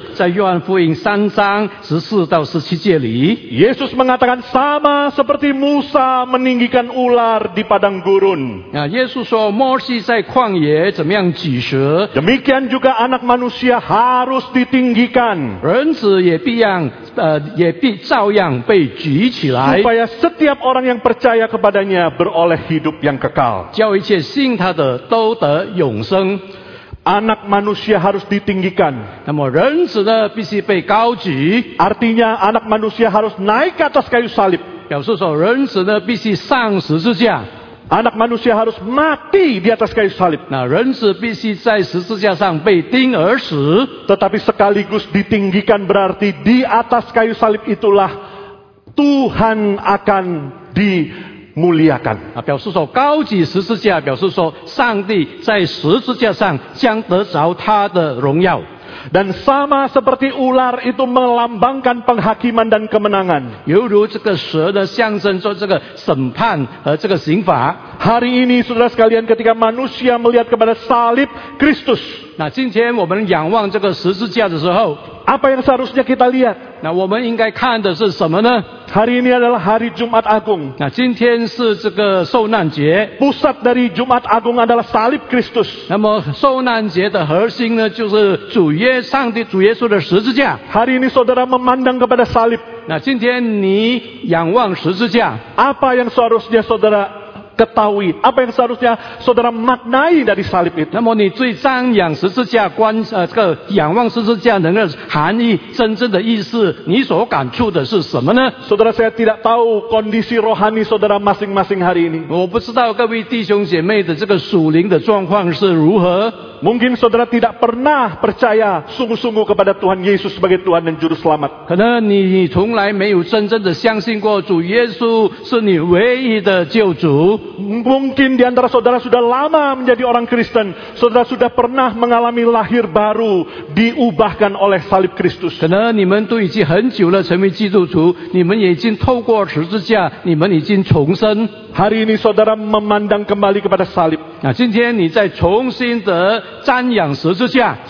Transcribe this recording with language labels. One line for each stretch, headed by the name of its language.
Chinese: 那么耶稣呢引用这个摩西举蛇的故事在约翰福音3章14到17节里。
Indonesian: Yesus mengatakan sama seperti Musa meninggikan ular di padang gurun.
Chinese: 耶稣说摩西在旷野怎么样举蛇。
Indonesian: Demikian juga anak manusia harus ditinggikan.
Chinese: 人子也必照样被举起来。
Indonesian: Supaya setiap orang yang percaya kepadanya beroleh hidup yang kekal.
Chinese: 叫一切信他的都得 永生,
Indonesian: anak manusia harus ditinggikan.
Chinese: 那么人子呢必须被高举,
Indonesian: artinya anak manusia harus naik ke atas kayu salib.
Chinese: 表示说人子呢必须上十字架,
Indonesian: anak manusia harus mati di atas kayu salib.
Chinese: 那人子必须在十字架上被钉而死.
Indonesian: Tetapi sekaligus ditinggikan berarti di atas kayu salib itulah Tuhan akan di muliakan.
Chinese: 表示说高举十字架，表示说上帝在十字架上将得着他的荣耀。
Indonesian: Dan sama seperti ular itu melambangkan penghakiman dan kemenangan.
Chinese: 犹如这个蛇的象征着这个审判和这个刑罚。
Indonesian: Hari ini saudara sekalian ketika manusia melihat kepada salib Kristus.
Chinese: 那今天我们仰望这个十字架的时候。
Indonesian: Apa yang seharusnya kita lihat?
Chinese: 那我们应该看的是什么呢?
Indonesian: Hari ini adalah hari Jumat Agung.
Chinese: 那今天是这个受难节。
Indonesian: Pusat dari Jumat Agung adalah salib Kristus.
Chinese: 那么受难节的核心呢就是主耶上帝主耶稣的十字架。
Indonesian: Hari ini saudara memandang kepada salib.
Chinese: 那今天你仰望十字架。
Indonesian: Apa yang seharusnya saudara ketahui? Apa yang seharusnya saudara maknai dari salib itu?
Chinese: 那么你最瞻仰十字架观这个仰望十字架能够含义真正的意思，你所感触的是什么呢？
Indonesian: Saudara saya tidak tahu kondisi rohani saudara masing-masing hari ini.
Chinese: 我不知道各位弟兄姐妹的这个属灵的状况是如何。
Indonesian: Mungkin saudara tidak pernah percaya sungguh-sungguh kepada Tuhan Yesus sebagai Tuhan dan Juru Selamat.
Chinese: 可能你从来没有真正的相信过主耶稣是你唯一的救主。
Indonesian: Mungkin di antara saudara sudah lama menjadi orang Kristen, saudara sudah pernah mengalami lahir baru diubahkan oleh salib Kristus.
Chinese: 可能你们都已经很久了成为基督徒，你们也已经透过十字架，你们已经重生。
Indonesian: Hari ini saudara memandang kembali kepada salib.
Chinese: 那今天你再重新的瞻仰十字架。